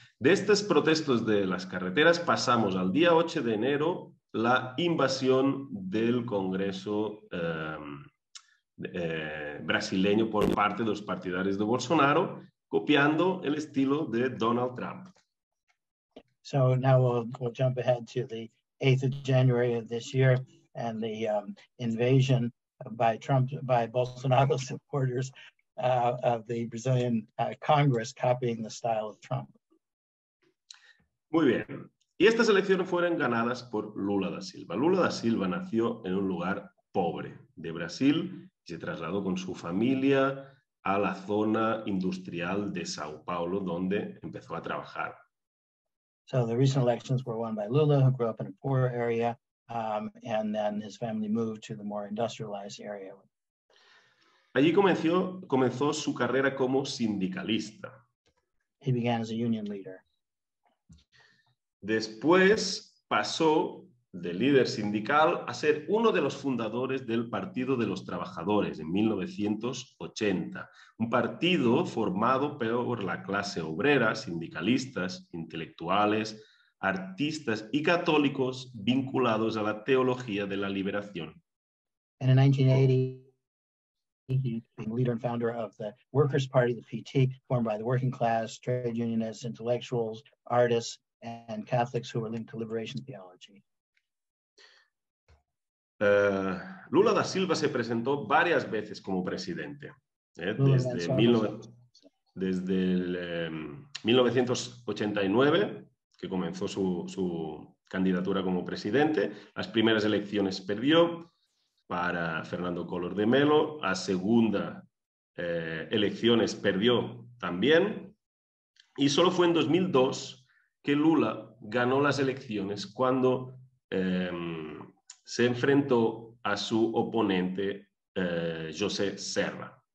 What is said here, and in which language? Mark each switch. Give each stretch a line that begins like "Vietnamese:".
Spanish: De estos protestos de las carreteras pasamos al día 8 de enero, la invasión del Congreso brasileño por parte de los partidarios de Bolsonaro, copiando el estilo de Donald Trump.
English: So now we'll jump ahead to the 8th of January of this year and the invasion by Trump, by Bolsonaro supporters of the Brazilian Congress, copying the style of Trump.
Spanish: Muy bien. Y estas elecciones fueron ganadas por Lula da Silva. Lula da Silva nació en un lugar pobre de Brasil y se trasladó con su familia a la zona industrial de Sao Paulo, donde empezó a trabajar.
English: So the recent elections were won by Lula, who grew up in a poor area, and then his family moved to the more industrialized area.
Spanish: Allí comenzó su carrera como sindicalista.
English: He began as a union leader.
Spanish: Después pasó de líder sindical a ser uno de los fundadores del Partido de los Trabajadores en 1980, un partido formado por la clase obrera, sindicalistas, intelectuales, artistas y católicos vinculados a la teología de la liberación.
English: And in 1980, he became leader and founder of the Workers' Party, the PT, formed by the working class, trade unionists, intellectuals, artists, and Catholics who were linked to liberation theology.
Spanish: Lula da Silva se presentó varias veces como presidente. Desde 1989, que comenzó su candidatura como presidente, las primeras elecciones perdió para Fernando Collor de Mello, a segunda elecciones perdió también, y solo fue en 2002 que Lula ganó las elecciones cuando se enfrentó a su oponente, José Serra.